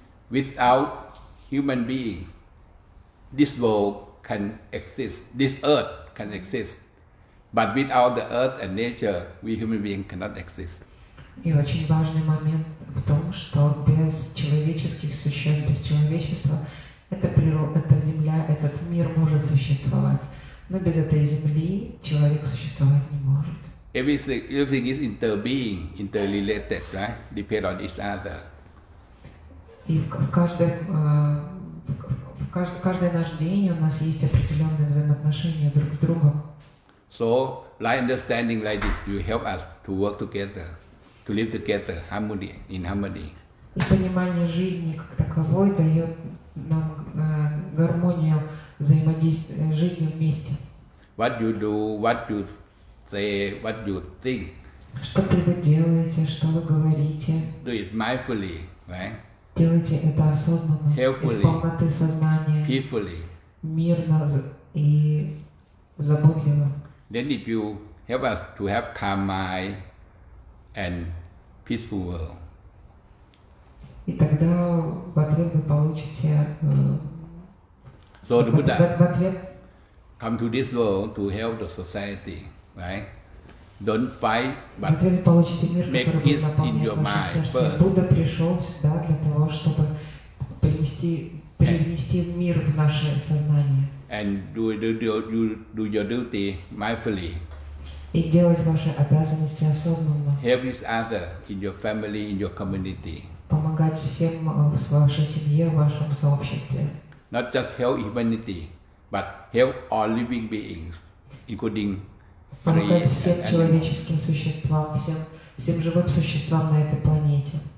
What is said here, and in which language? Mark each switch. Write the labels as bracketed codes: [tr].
[en] Without human beings, this world can exist, this earth can exist, but without the earth and nature, we human being cannot exist. [ru] И очень важный момент в том, что без человеческих существ, без человечества, Это природа, это земля, этот мир может существовать. Но без этой земли человек существовать не может. [en] Everything is interbeing, interrelated, right? Depend on each other. [ru] И в каждый наш день у нас есть определенные взаимоотношения друг с другом. [en] So, like understanding like this will help us to work together, to live together, harmony, in harmony. [ru] И понимание жизни как таковой дает нам гармонию взаимодействия жизни вместе. [en] What you do, what you say, what you think. [ru] Что вы делаете, что вы говорите. [en] Do it mindfully, right? [ru] Делайте это осознанно, [en] helpfully, [ru] из полноты сознания, [en] peacefully, [ru] мирно и заботливо. [en] Then if you help us to have calm mind and peaceful world. [ru] И тогда в ответ вы получите [en] So the Buddha come to this world to help the society, right? Don't fight, but [ru] мир, [en] make peace in your mind first. [ru] Будда пришел сюда для того, чтобы принести мир в наше сознание. [en] And do your duty mindfully. [ru] И делать ваши обязанности осознанно. [en] Help each other in your family, in your community. [ru] Помогать всем в вашей семье, в вашем сообществе. [en] Not just help humanity, but help all living beings, including trees [ru] всем [en] and [ru] человеческим [en] animals. [ru] Существам, всем живым существам на этой планете.